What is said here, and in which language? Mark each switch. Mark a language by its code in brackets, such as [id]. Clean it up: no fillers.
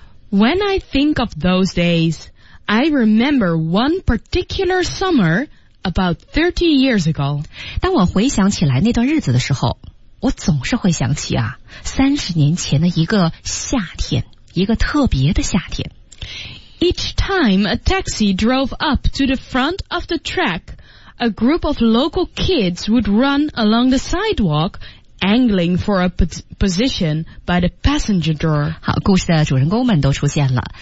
[en] When I think of those days, I remember one particular summer about 30 years ago. [zh] 当我回想起来那段日子的时候，我总是会想起啊30年前的一个夏天，一个特别的夏天。 [en] Each time a taxi drove up to the front of the track, a group of local kids would run along the sidewalk angling for a position by the passenger door. [zh] 好，故事的主人公们都出现了。